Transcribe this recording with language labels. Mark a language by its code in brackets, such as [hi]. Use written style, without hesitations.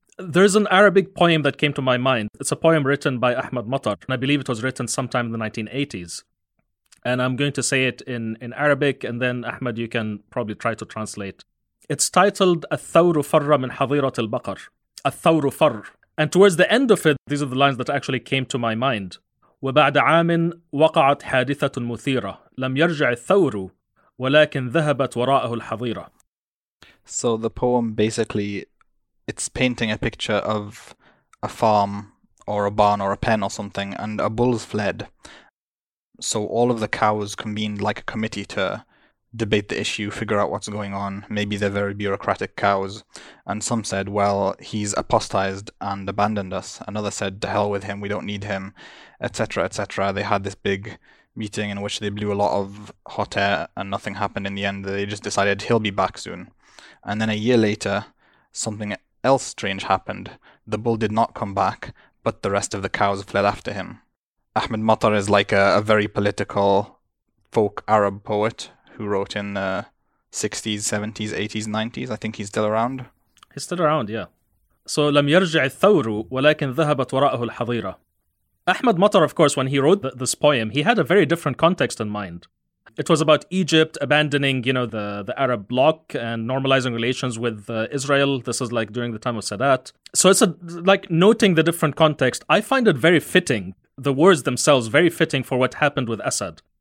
[en] There's an Arabic poem that came to my mind. It's a poem written by Ahmad Matar, and I believe it was written sometime in the 1980s. And I'm going to say it in Arabic, and then, Ahmad, you can probably try to translate. It's titled, "Al-Thawru Farra Min Hadhirat al-Baqar." Al-Thawru Farr. And towards the end of it, these are the lines that actually came to my mind. [ar] وبعد عام وقعت حادثة مثيرة لم يرجع الثور ولكن ذهبت وراءه الحظيرة. [en] So the poem basically, it's painting a picture of a farm or a barn or a pen or something, and a bull's fled. So all of the cows convened like a committee to debate the issue, figure out what's going on. Maybe they're very bureaucratic cows. And some said, well, he's apostatized and abandoned us. Another said, to hell with him, we don't need him, etc., etc. They had this big meeting in which they blew a lot of hot air and nothing happened in the end. They just decided he'll be back soon. And then a year later, something else strange happened. The bull did not come back, but the rest of the cows fled after him. Ahmed Matar is like a very political folk Arab poet who wrote in the 60s, 70s, 80s, 90s. I think he's still around. He's still around, yeah. [ar] So, لم يرجع الثور ولكن ذهبت وراءه الحظيرة. [en] Ahmed Matar, of course, when he wrote this poem, he had a very different context in mind. It was about Egypt abandoning, you know, the Arab bloc and normalizing relations with Israel. This is like during the time of Sadat. So it's like noting the different context. I find it very fitting, the words themselves, very fitting for what happened with Assad.